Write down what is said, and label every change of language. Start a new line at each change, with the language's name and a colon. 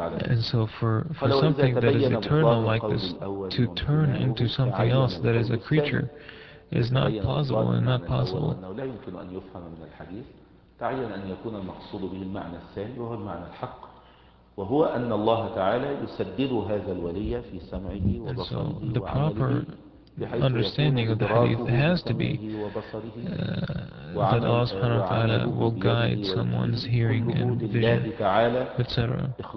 English: And so, for something that is eternal like this to turn into something else that is a creature is not plausible and not possible.
Arabic: لا يمكن أن يفهم من الحديث تعين أن يكون المقصود به المعنى الثاني وهو المعنى الحق وهو أن الله تعالى يسدد هذا الولي في سمعه وبصره وعينه.
English: And so the proper understanding of the hadith has to be that Allah subhanahu wa ta'ala will guide someone's hearing and vision, etc.